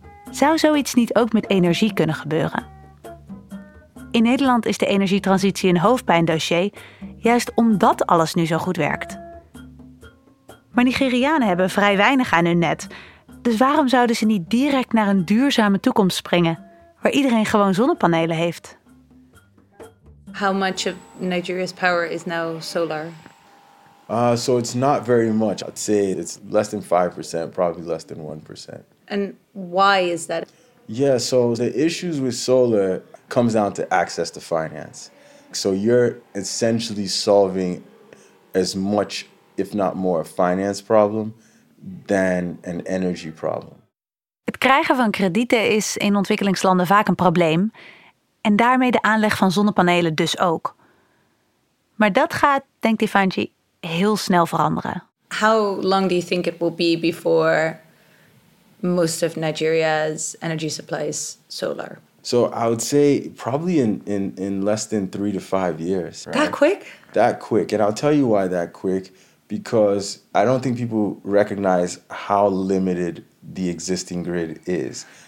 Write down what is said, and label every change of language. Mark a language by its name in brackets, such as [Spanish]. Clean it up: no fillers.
[Dutch] Zou zoiets niet ook met energie kunnen gebeuren? In Nederland is de energietransitie een hoofdpijndossier, juist omdat alles nu zo goed werkt. Maar Nigerianen hebben vrij weinig aan hun net. Dus waarom zouden ze niet direct naar een duurzame toekomst springen, waar iedereen gewoon zonnepanelen heeft? [English] How much of Nigeria's power is now solar? So it's not very much. I'd say it's less than 5%, probably less than 1%. And why is that? Yeah, so the issues with solar comes down to access to finance. So you're essentially solving as much, if not more, a finance problem than an energy problem. [Dutch] Het krijgen van kredieten is in ontwikkelingslanden vaak een probleem. En daarmee de aanleg van zonnepanelen dus ook. Maar dat gaat, denkt Ifanji, heel snel veranderen. [English] How long do you think it will be before most of Nigeria's energy supply is solar? So I would say probably in less than 3 to 5 years. Right? That quick? That quick. And I'll tell you why that quick. Because I don't think people recognize how limited the existing grid is.